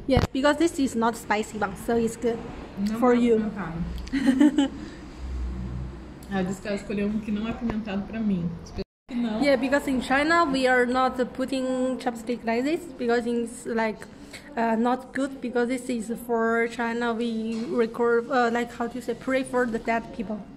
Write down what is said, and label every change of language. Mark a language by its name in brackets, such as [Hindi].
[English] Yes, because this is not spicy one, so it's good for you. [Portuguese] Ah, disse que ela escolheu que não é apimentado para mim. Não. [English] Yeah, because in China we are not putting chopstick like this because it's like not good because this is for China we record like how do you say pray for the dead people.